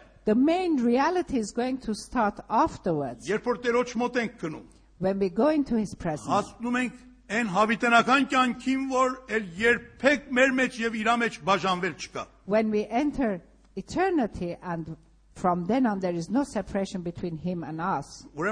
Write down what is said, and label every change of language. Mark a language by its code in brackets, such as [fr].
[en] The main reality is going to start afterwards. When we go into his presence. [hy] Այն հավիտենական կյանքին, որ էլ երբեք մեր մեջ եւ իրա մեջ բաժանվել չկա։ [en] When we enter eternity and From then on, there is no separation between him and us.